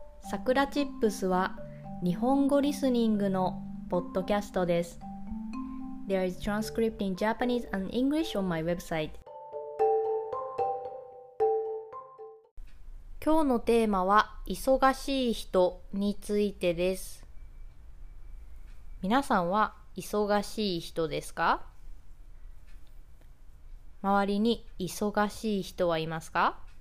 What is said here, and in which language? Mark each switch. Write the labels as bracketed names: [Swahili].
[Japanese] さくらチップスは日本語リスニングのポッドキャストです。 [English] There is transcript in Japanese and English on my website。 [Japanese] 今日のテーマは忙しい人についてです。皆さんは忙しい人ですか？周りに忙しい人はいますか？